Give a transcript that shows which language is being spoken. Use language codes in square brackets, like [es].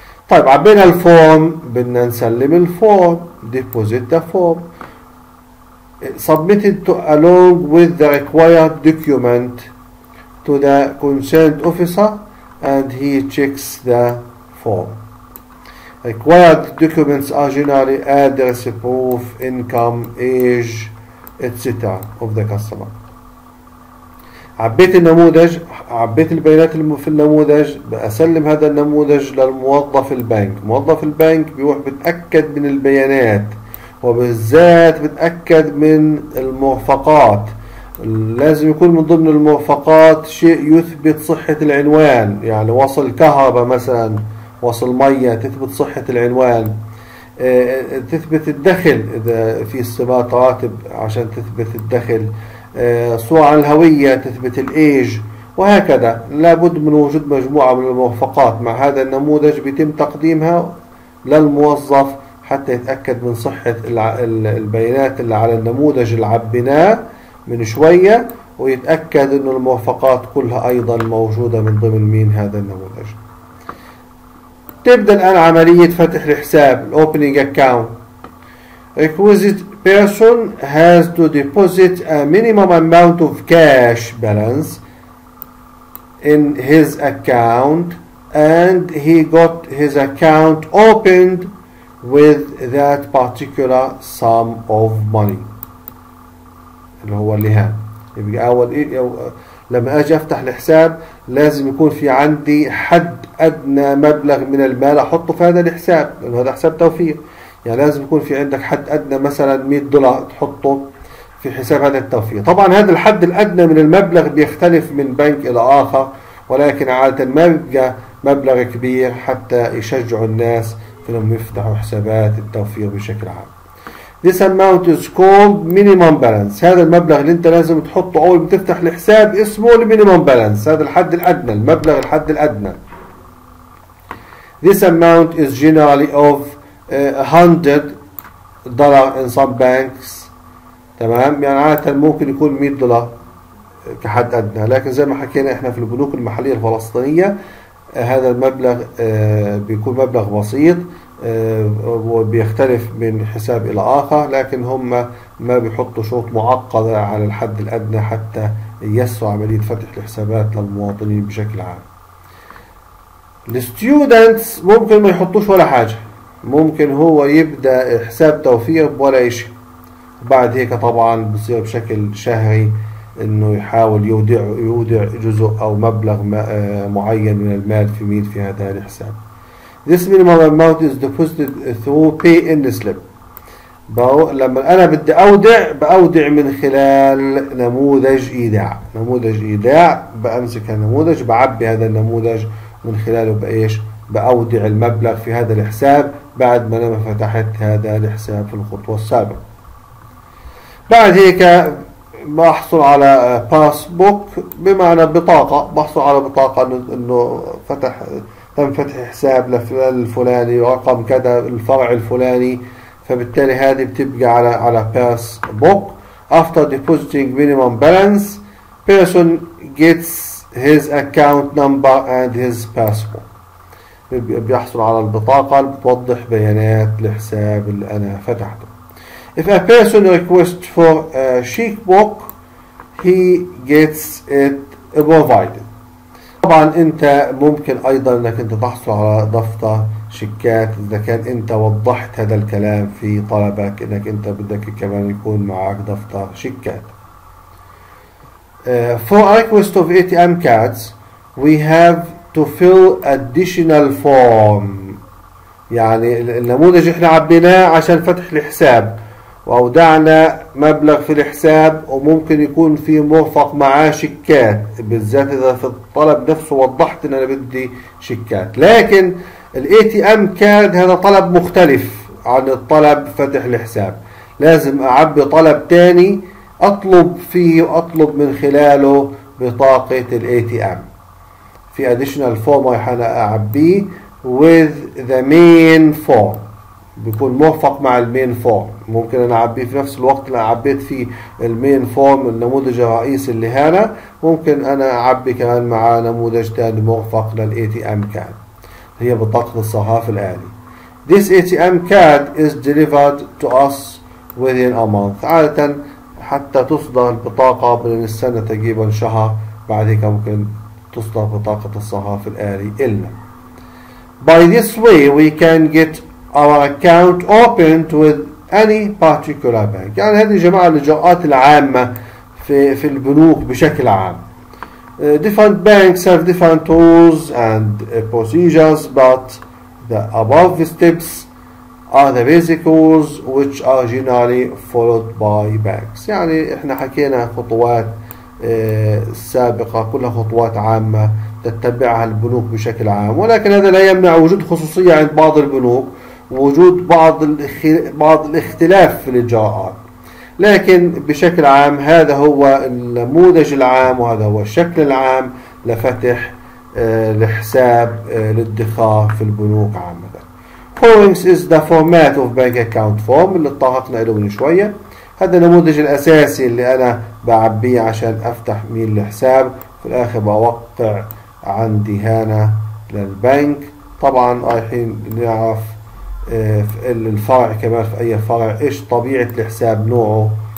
[ar] طيب عبينا الفورم، بدنا نسلم الفورم، [en] deposit the form submitted to along with the required document to the concerned officer and he checks the form. Required documents are generally address, proof, income, age, etc. of the customer. [ar] عبيت النموذج، عبيت البيانات اللي في النموذج، بسلم هذا النموذج للموظف البنك. موظف البنك بيروح بتأكد من البيانات، وبالذات بتأكد من المرفقات. لازم يكون من ضمن المرفقات شيء يثبت صحة العنوان، يعني وصل كهرباء مثلاً، وصل مية، تثبت صحة العنوان، تثبت الدخل إذا في استباق راتب عشان تثبت الدخل، صورة عن الهوية، تثبت الإيج، وهكذا. لابد من وجود مجموعة من المرفقات مع هذا النموذج بيتم تقديمها للموظف حتى يتأكد من صحة البيانات اللي على النموذج اللي عبيناه من شوية، ويتأكد إنه المرفقات كلها أيضا موجودة من ضمن مين هذا النموذج. تبدأ الآن عملية فتح الحساب [en] opening account. Requisite person has to deposit a minimum amount of cash balance in his account and he got his account opened with that particular sum of money. [ar] اللي هو اللي ها يبقى أول لما أجي أفتح الحساب لازم يكون في عندي حد أدنى مبلغ من المال أحطه في هذا الحساب، لأنه هذا حساب توفير. يعني لازم يكون في عندك حد أدنى مثلا $100 تحطه في حساب هذا التوفير. طبعا هذا الحد الأدنى من المبلغ بيختلف من بنك إلى آخر، ولكن عادة ما بيبقى مبلغ كبير حتى يشجعوا الناس في أنهم يفتحوا حسابات التوفير بشكل عام. [en] This amount is called minimum balance. [ar] هذا المبلغ اللي انت لازم تحطه اول ما تفتح الحساب اسمه minimum balance، هذا الحد الادنى، المبلغ الحد الادنى. [en] This amount is generally of $100 in some banks. [ar] تمام، يعني عادة ممكن يكون $100 كحد ادنى، لكن زي ما حكينا احنا في البنوك المحلية الفلسطينية هذا المبلغ بيكون مبلغ بسيط وبيختلف من حساب إلى آخر، لكن هم ما بيحطوا شروط معقدة على الحد الأدنى حتى يسرع عملية فتح الحسابات للمواطنين بشكل عام. الستودنتس ممكن ما يحطوش ولا حاجة، ممكن هو يبدأ حساب توفير ولا إشي، بعد هيك طبعا بصير بشكل شهري انه يحاول يودع جزء او مبلغ معين من المال في مين في هذا الحساب. [en] This minimum amount is deposited through pay in slip. [ar] لما انا بدي اودع باودع من خلال نموذج ايداع، نموذج ايداع بامسك النموذج بعبي هذا النموذج من خلاله بايش؟ باودع المبلغ في هذا الحساب بعد ما انا فتحت هذا الحساب في الخطوه السابقه. بعد هيك بحصل على باسبوك، بمعنى بطاقه، بحصل على بطاقه انه فتح تم فتح حساب لفلان الفلاني ورقم كذا الفرع الفلاني، فبالتالي هذه بتبقى على باس بوك. [en] After depositing minimum balance, person gets his account number and his passbook. [ar] بيحصل على البطاقة اللي بتوضح بيانات الحساب اللي أنا فتحته. [en] If a person requests for a checkbook, he gets it provided. [ar] طبعا انت ممكن ايضا انك انت تحصل على ضفطة شيكات اذا كان انت وضحت هذا الكلام في طلبك انك انت بدك كمان يكون معك ضفطة شيكات. [en] For a request of ATM cards, we have to fill additional form. [ar] يعني النموذج احنا عبيناه عشان فتح الحساب واودعنا مبلغ في الحساب وممكن يكون في مرفق معاه شيكات، بالذات اذا في الطلب نفسه وضحت ان انا بدي شيكات. لكن الاي تي ام كارد هذا طلب مختلف عن الطلب فتح الحساب، لازم اعبي طلب تاني اطلب فيه واطلب من خلاله بطاقة الاي تي ام. في اديشنال فورم راح انا اعبيه [en] with the main form، [ar] بيكون موفق مع المين فورم. ممكن انا اعبيه في نفس الوقت اللي عبيت فيه المين فورم النموذج الرئيسي اللي هنا، ممكن انا اعبي كمان معاه نموذج تاني موفق للاي تي ام كارد، هي بطاقة الصحافة الآلي. [en] This ATM card is delivered to us within a month. [ar] عادة حتى تصدر البطاقة بنستنى تقريبا شهر، بعد هيك ممكن تصدر بطاقة الصحافة الآلي إلنا. [en] By this way we can get our account opened with any particular bank. [ar] يعني هذه جماعة الإجراءات العامة في البنوك بشكل عام. [en] Different banks have different rules and procedures, but the above steps are the basic rules which are generally followed by banks. [ar] يعني احنا حكينا خطوات سابقة كلها خطوات عامة تتبعها البنوك بشكل عام، ولكن هذا لا يمنع وجود خصوصية عند بعض البنوك ووجود بعض الاختلاف في الإجراءات. لكن بشكل عام هذا هو النموذج العام وهذا هو الشكل العام لفتح الحساب للادخار في البنوك عامة. [en] Forms is the format of bank account form [ar] اللي اتطرقنا له من شوية. هذا النموذج الأساسي اللي أنا بعبيه عشان أفتح ميل الحساب، في الآخر بوقع عندي هنا للبنك. طبعا رايحين نعرف الفرع كمان، في اي فرع ايش طبيعة الحساب نوعه.